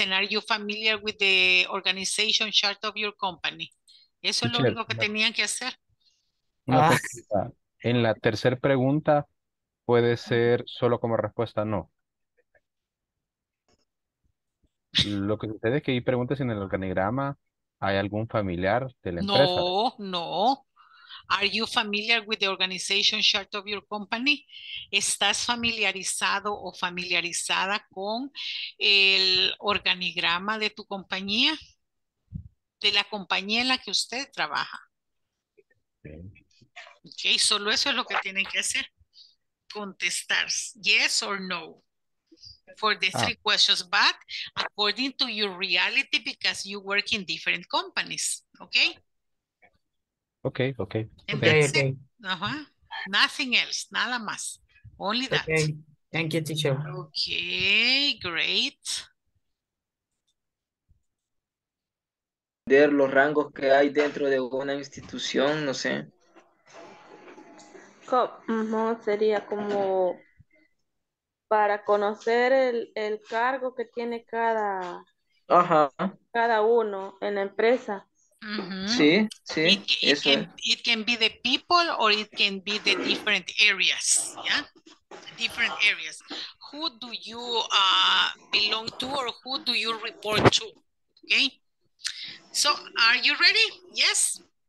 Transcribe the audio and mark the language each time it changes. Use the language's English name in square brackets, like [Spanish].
[English] And are you familiar with the organization chart of your company? [Spanish] Eso es lo único que tenían que hacer. En la tercera pregunta, puede ser solo como respuesta, no. Lo que sucede es que ahí pregunta si en el organigrama hay algún familiar de la empresa. No, no. [English] Are you familiar with the organization chart of your company? [Spanish] ¿Estás familiarizado o familiarizada con el organigrama de tu compañía? De la compañía en la que usted trabaja. Bien. [English] Ok, [Spanish] solo eso es lo que tienen que hacer, contestar, [English] yes or no, for the three questions, but according to your reality, because you work in different companies, ok? Ok, ok. And that's it. Nothing else, [Spanish] nada más, [English] only that. Okay. Thank you, teacher. Okay, great. [Spanish] Ver los rangos que hay dentro de una institución, no sé. ¿Cómo sería como para conocer el cargo que tiene cada, ajá, cada uno en la empresa? Uh-huh. Sí, sí. [English] It can be the people or it can be the different areas, yeah? Different areas. Who do you belong to or who do you report to? Okay? So, are you ready? Yes?